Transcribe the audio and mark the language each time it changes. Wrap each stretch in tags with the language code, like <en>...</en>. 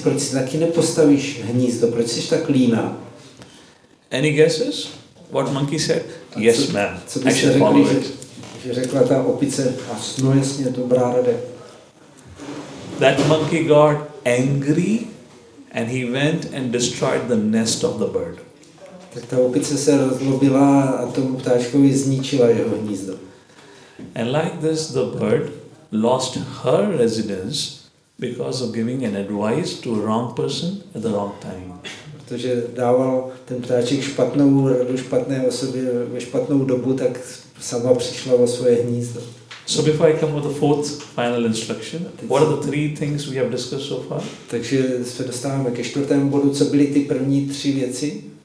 <cs>Proč si taky nepostavíš hnízdo? Proč jsi tak líná?</cs> <en>Any guesses? What monkey said? Yes, ma'am.</en> <cs>Co by se řekli, že řekla ta opice, no jasně, dobrá rada.</cs> <en>That monkey got angry and he went and destroyed the nest of the bird.</en> <cs>Tak ta opice se rozlobila a tomu ptáčkovi zničila jeho hnízdo.</cs> <en>And like this, the bird lost her residence because of giving an advice to a wrong person at the wrong time.</en> <cs>Protože dával ten ptáček špatnou radu špatné osobě ve špatnou dobu, tak sama přišla o svoje hnízdo.</cs> <en>So before I come with the fourth final instruction, what are the three things we have discussed so far?</en> <cs>Takže se dostáváme ke čtvrtému bodu, co byly ty první tři věci?</cs>